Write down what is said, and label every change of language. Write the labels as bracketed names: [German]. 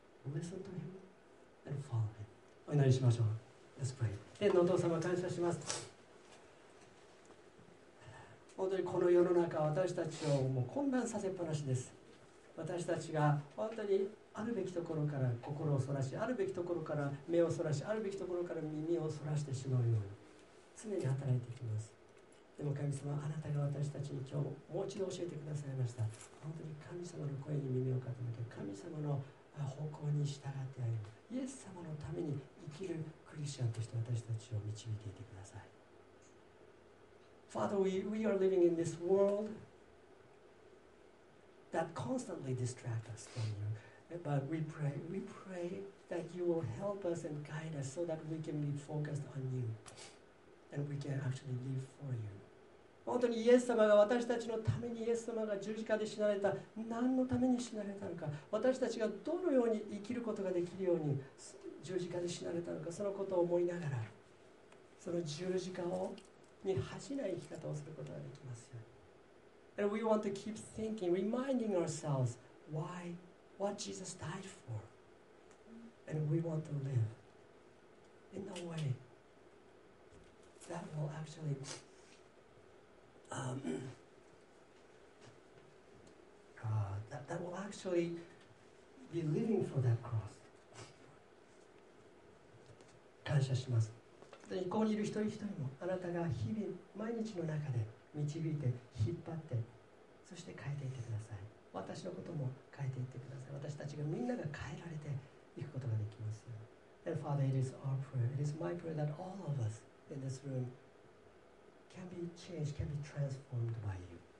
[English] Listen to Him and follow Him. [Japanese] お祈りしましょう。 [English] Let's pray. [Japanese] 天のお父様、感謝します。本当にこの世の中、私たちをもう混乱させっぱなしです。私たちが本当にあるべきところから心をそらし、あるべきところから目をそらし、あるべきところから耳をそらしてしまうように常に働いていきます。でも神様、あなたが私たちに今日もう一度教えてくださいました。本当に神様の声に耳を傾け、神様の方向に従って歩む、イエス様のために生きるクリスチャンとして私たちを導いていてください。 [English] Father, we are living in this world that constantly distract us from you, but we pray that you will help us and guide us so that we can be focused on you and we can actually live for you. [Japanese] 本当にイエス様が私たちのために、イエス様が十字架で死なれた、何のために死なれたのか、私たちがどのように生きることができるように十字架で死なれたのか、そのことを思いながら、その十字架をに恥じない生き方をすることができますように。 [English] And we want to keep thinking, reminding ourselves why, what Jesus died for. And we want to live in a way that will actually that will actually be living for that cross. [Japanese] 感謝します。本当にここにいる一人一人も、あなたが日々、毎日の中で導いて、引っ張って、そして変えていってください。私のことも変えていってください。私たちがみんなが変えられていくことができますよ。 [English] And Father, it is our prayer, it is my prayer that all of us in this room can be changed, can be transformed by you.